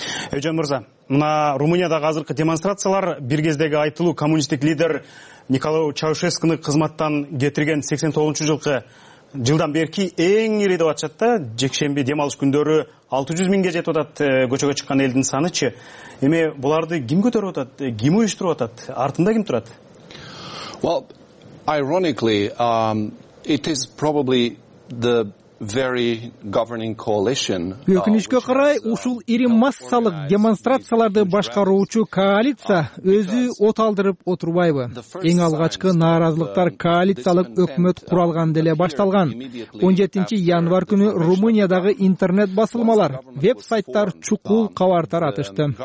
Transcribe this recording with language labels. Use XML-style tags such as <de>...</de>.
<ky>Эжен Мырза, мына Румыниядагы азыркы демонстрациялар бир кездеги айтылуу коммунисттик лидер Николай Чаушескуну кызматтан кетирген 89-жылкы жылдан берки эң ири деп атышат да, жекшемби демалыш күндөрү 600 миңге жетип атат көчөгө чыккан элдин санычы. Эми буларды ким көтөрүп атат? Ким уюштуруп атат? Артында ким турат?</ky> <en>Well, ironically, it is probably the very governing coalition.</en> <ky>Өкүнүчкө карай, ушул ири массалык демонстрацияларды башкаруучу коалиция өзү от алдырып отурбайбы? Эң алгачкы нааразылыктар коалициялык өкмөт куралган деле башталган. 17 январ күнү Румыниядагы интернет басылмалар, веб-сайттар чукул кабар таратышты.</ky>